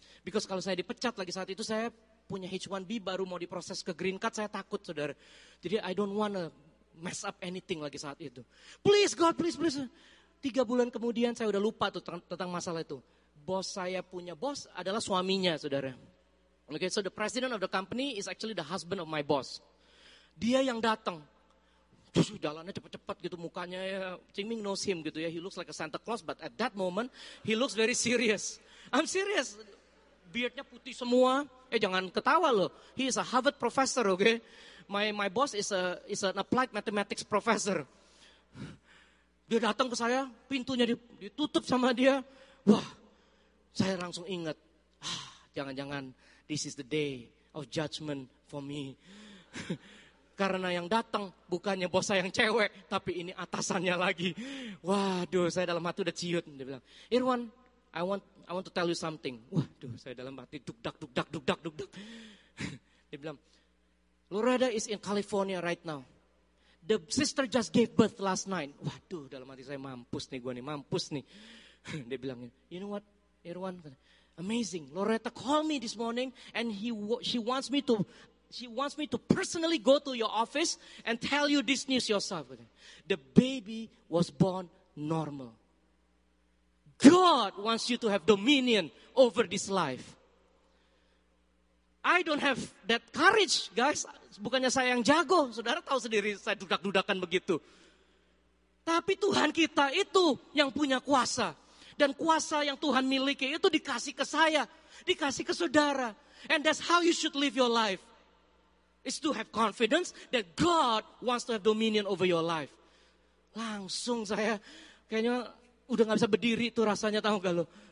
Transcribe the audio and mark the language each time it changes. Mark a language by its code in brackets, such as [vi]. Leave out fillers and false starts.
[id] Because kalau saya dipecat lagi saat itu, saya punya H1B baru mau diproses ke green card, saya takut, saudara. Jadi [en] I don't wanna mess up anything [id] lagi saat itu. [en] Please God, please, please. [id] 3 bulan kemudian saya udah lupa tuh tentang masalah itu. Bos saya punya bos adalah suaminya, saudara. [en] Okay, so the president of the company is actually the husband of my boss. [id] Dia yang datang. Jalannya cepat-cepat gitu mukanya ya. [en] Ciming knows him [id] gitu ya. [en] He looks like a Santa Claus, but at that moment, he looks very serious. I'm serious. [id] Beardnya putih semua. Jangan ketawa loh. [en] He is a Harvard professor, okay? My boss is an applied mathematics professor. [id] Dia datang ke saya, pintunya ditutup sama dia. Wah, saya langsung ingat, jangan-jangan [en] this is the day of judgment for me. [id] Karena yang datang bukannya bos saya yang cewek, tapi ini atasannya lagi. Waduh, saya dalam hati udah ciut. Dia bilang, [en] Irwan, I want to tell you something. [id] Waduh, saya dalam hati duk-duk-duk-duk-duk-duk. Dia bilang, [en] Loretta is in California right now. The sister just gave birth last night. [id] Waduh, dalam hati saya mampus nih, gue nih, mampus nih. Dia bilang, [en] you know what, Irwan, amazing. Loretta called me this morning and she wants me to personally go to your office and tell you this news yourself. The baby was born normal. God wants you to have dominion over this life. I don't have that courage, guys. [id] Bukannya saya yang jago, saudara tahu sendiri saya dudak-dudakan begitu. Tapi Tuhan kita itu yang punya kuasa. Dan kuasa yang Tuhan miliki itu dikasih ke saya, dikasih ke saudara. [en] And that's how you should live your life. Is to have confidence that God wants to have dominion over your life. [id] Langsung saya kayaknya udah gak bisa berdiri tuh rasanya, tahu gak lo.